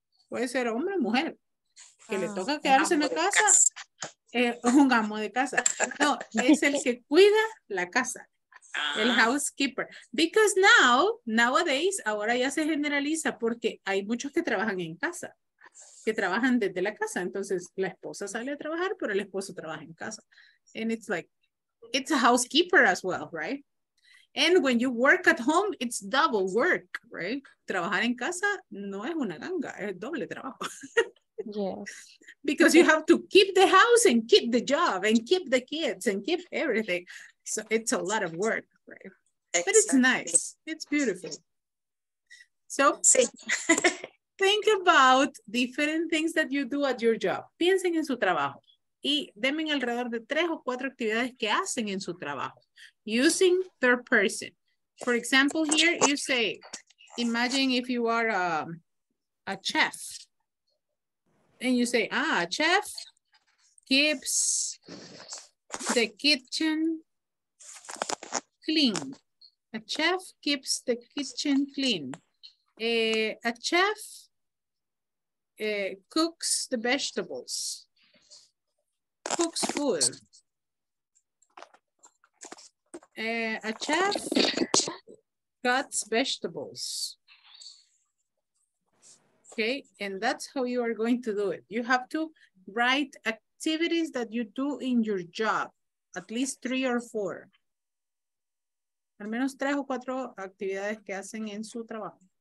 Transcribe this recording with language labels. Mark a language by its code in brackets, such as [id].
[es] Puede ser hombre o mujer. Que le toca quedarse en la casa. Un amo de casa. No, es el que cuida la casa. El housekeeper. [en] Because nowadays, [es] ahora ya se generaliza porque hay muchos que trabajan en casa. Que trabajan desde la casa. Entonces, la esposa sale a trabajar, pero el esposo trabaja en casa. [en] And it's like, it's a housekeeper as well, right? And when you work at home, it's double work, right? [es] Trabajar en casa no es una ganga, es doble trabajo. [en] Yes. Because you have to keep the house and keep the job and keep the kids and keep everything. So it's a lot of work, right? Exactly. But it's nice. It's beautiful. So [es] sí. [en] Think about different things that you do at your job. [es] Piensen en su trabajo. Y denme alrededor de tres o cuatro actividades que hacen en su trabajo. [en] Using third person. For example, here you say, imagine if you are a chef. And you say, ah, a chef keeps the kitchen clean. A chef keeps the kitchen clean. A chef cooks the vegetables. Cooks food. A chef cuts vegetables. Okay, and that's how you are going to do it. You have to write activities that you do in your job, at least three or four. [es] Al menos tres o cuatro actividades que hacen en su trabajo.